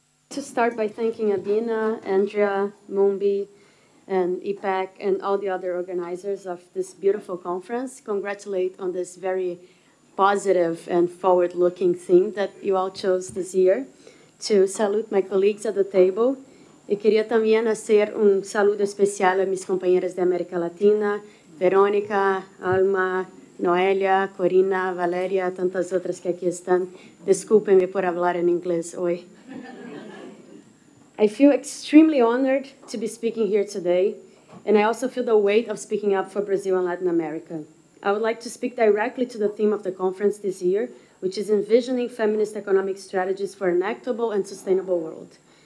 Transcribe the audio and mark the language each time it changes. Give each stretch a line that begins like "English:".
English: To start by thanking Adina, Andrea, Mumbi, and IPEC, and all the other organizers of this beautiful conference. Congratulate on this very positive and forward-looking theme that you all chose this year. To salute my colleagues at the table.
Portuguese: E queria também fazer
Spanish: saludo especial a mis
Portuguese: companheiras de América Latina, Verônica, Alma, Noelia, Corina, Valeria, tantas outras que aqui estão. Desculpem-me por falar em inglês, oi.
English: I feel extremely honored to be speaking here today, and I also feel the weight of speaking up for Brazil and Latin America. I would like to speak directly to the theme of the conference this year, which is envisioning feminist economic strategies for an equitable and sustainable world.